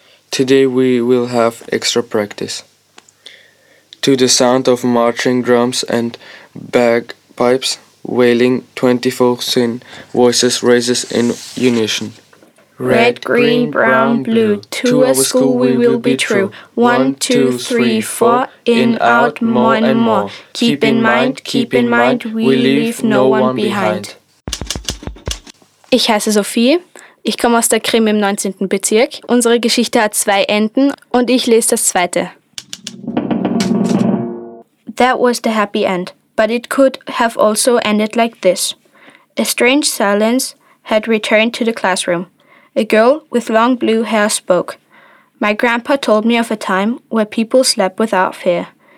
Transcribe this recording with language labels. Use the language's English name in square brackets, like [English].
[English] Today we will have extra practice. To the sound of marching drums and bagpipes, wailing 24-syllable voices raises in unison. Red, green, brown, blue, to a school we will be true. 1, 2, 3, 4, in, out, more and more. Keep in mind, we leave no one behind. [German] Ich heiße Sophie, ich komme aus der Krim im 19. Bezirk. Unsere Geschichte hat 2 Enden und ich lese das 2. [English] That was the happy end, but it could have also ended like this. A strange silence had returned to the classroom. A girl with long blue hair spoke. My grandpa told me of a time where people slept without fear.